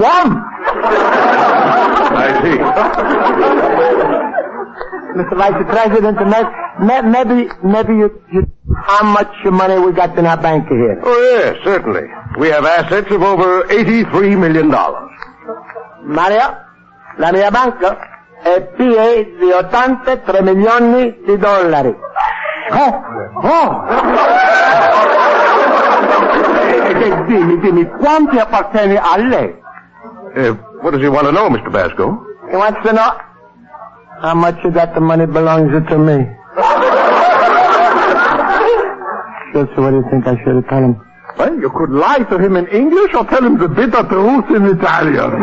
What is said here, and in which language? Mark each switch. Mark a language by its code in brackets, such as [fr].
[en] I see. Mr. Vice President, maybe you how much money we got in our bank here? Oh, yes, certainly. We have assets of over $83 million. [it] Mario, la mia banca è piena di 83 milioni di dollari. Oh! Oh! dimmi, quanti appartiene a lei? [en] What does he want to know, Mr. Basco? He wants to know how much of that money belongs to me. Sure, so what do you think I should tell him? Well, you could lie to him in English or tell him the bitter truth in Italian.